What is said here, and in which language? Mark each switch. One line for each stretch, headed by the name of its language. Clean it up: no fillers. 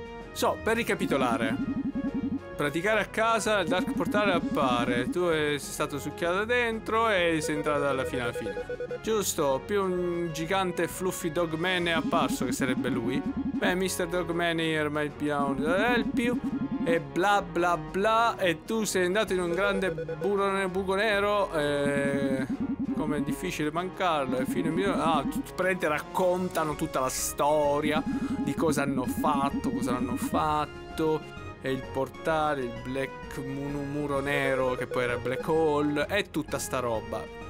Italian: So, per ricapitolare. Praticare a casa, il Dark Portale appare. Tu sei stato succhiato dentro e sei entrato dalla fine alla fine. Giusto, più un gigante fluffy dogman è apparso, che sarebbe lui. Beh, Mr.
English: Dogman here might be able to help you.
Italian: E bla bla bla. E tu sei andato in un grande buco nero e... Come è difficile mancarlo. E fino a mio... praticamente raccontano tutta la storia di cosa hanno fatto, cosa hanno fatto. E il portale, il black muro nero, che poi era black hole, e tutta sta roba.